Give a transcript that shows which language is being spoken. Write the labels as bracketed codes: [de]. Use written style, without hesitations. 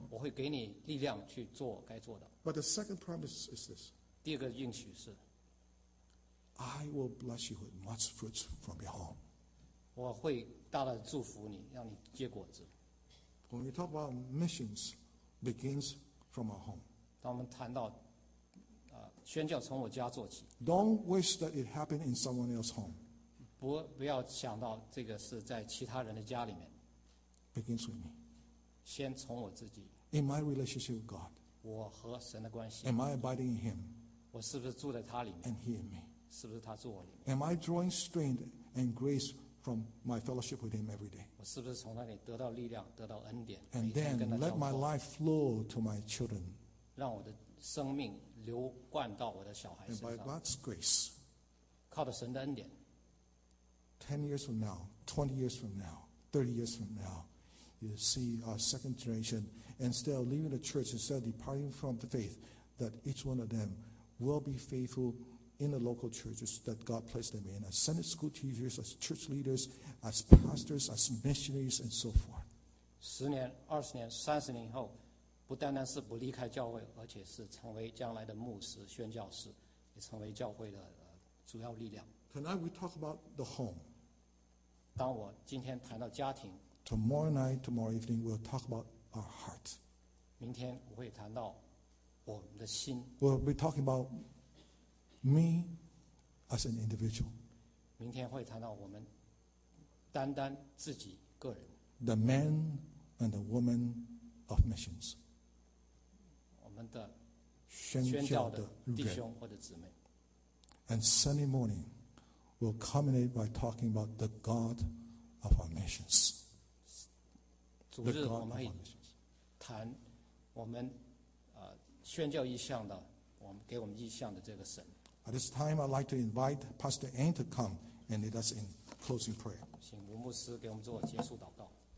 [zh] 我会给你力量去做该做的。 [en] But the second promise is this. [zh] 第二个应许是 [en] I will bless you with much fruits from your home. [zh] 我会大大祝福你，让你结果子。 [en] When we talk about missions, begins from our home. [zh] 当我们谈到宣教从我家做起。 [en] Don't wish that it happened in someone else's home. [zh] 不要想到这个是在其他人的家里面。 [en] Begins with me. [zh] 先从我自己。 [en] In my relationship with God. [zh] 我和神的关系。 [en] Am I abiding in Him? [zh] 我是不是住在他里面 [en] ？And He in me? [zh] 是不是他住我里面 [en] ？Am I drawing strength and grace from my fellowship with Him every day? [zh] 我是不是从他里得到力量，得到恩典 [en] ？And then let my life flow to my children. [zh] 让我的生命流灌到我的小孩身上。 [en] And by God's grace, [zh] 靠着神的恩典。 [en] 10 years from now, 20 years from now, 30 years from now, you see our second generation, instead of leaving the church, instead of departing from the faith, that each one of them will be faithful in the local churches that God placed them in, as Sunday school teachers, as church leaders, as pastors, as missionaries, and so forth. 10 years, 20 years, 30 years [zh] 后，不单单是不离开教会，而且是成为将来的牧师、宣教士，也成为教会的主要力量。 [en] Tonight we talk about the home. [zh] 当我今天谈到家庭。 [en] Tomorrow night, tomorrow evening, we'll talk about our heart. [zh] 明天我会谈到我们的心。 [en] We'll be talking about me as an individual. [zh] 明天会谈到我们单单自己个人。 [en] The man and the woman of missions. [zh] 我们的宣教的弟兄或者姊妹。 [en] And Sunday morning. Will culminate by talking about the God of our missions. The God of our missions. [zh] 谈我们宣教意向的，我们给我们意向的这个神。 [en] At this time, I'd like to invite Pastor Ann to come and lead us in closing prayer. [zh] 请吴牧师给我们做结束祷告。